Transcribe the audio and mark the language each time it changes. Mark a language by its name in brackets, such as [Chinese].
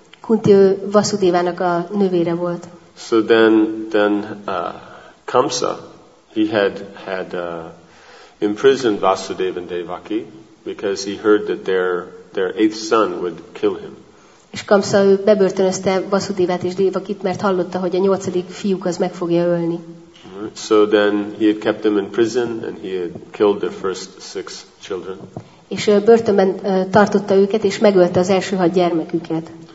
[Hungarian] Kunti Vasudevának a nővére volt. [English] So then Kamsa, he had imprisoned Vasudeva and Devaki because he heard that their eighth son would kill him. [Hungarian] És Kamsa bebörtönözte Vasudevát és Devakit, mert hallotta, hogy a nyolcadik fiúk az meg fogja ölni. [English] So then he had kept them in prison and he had killed their first six children. [Hungarian] És börtönben tartotta őket és megölte az első hat gyermeküket.